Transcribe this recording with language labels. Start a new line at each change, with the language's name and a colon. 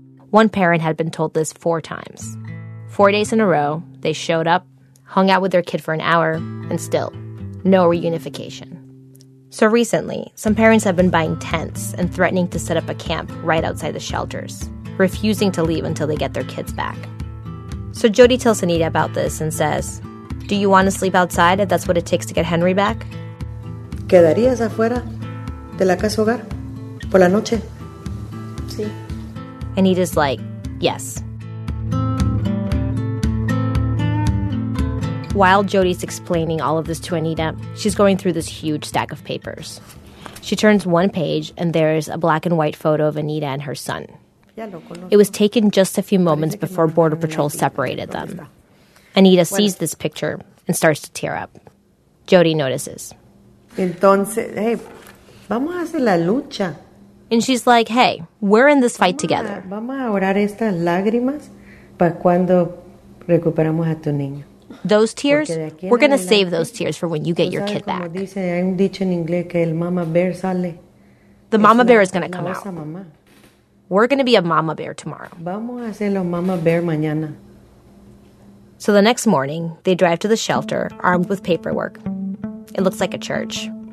English: One parent had been told this 4 times. 4 days in a row, they showed up, hung out with their kid for an hour, and still, no reunification. So recently, some parents have been buying tents and threatening to set up a camp right outside the shelters, refusing to leave until they get their kids back. So Jody tells Anita about this and says, do you want to sleep outside if that's what it takes to get Henry back?
Spanish: ¿Quedarías afuera de la casa hogar por la noche?
English: Sí. Anita's like, yes. While Jody's explaining all of this to Anita, she's going through this huge stack of papers. She turns one page, and there's a black and white photo of Anita and her son. It was taken just a few moments before Border Patrol separated them. Anita sees this picture and starts to tear up. Jody notices.
Spanish: Entonces, hey, vamos a hacer la lucha.
English: And she's like, hey, we're in this fight together.
Spanish: Vamos a orar estas lágrimas para cuando recuperamos a tu niño.
English: Those tears, we're going to save those tears for when you get your kid back. The mama bear is going to come out. We're going to be a mama bear tomorrow. So the next morning, they drive to the shelter, armed with paperwork. It looks like a church.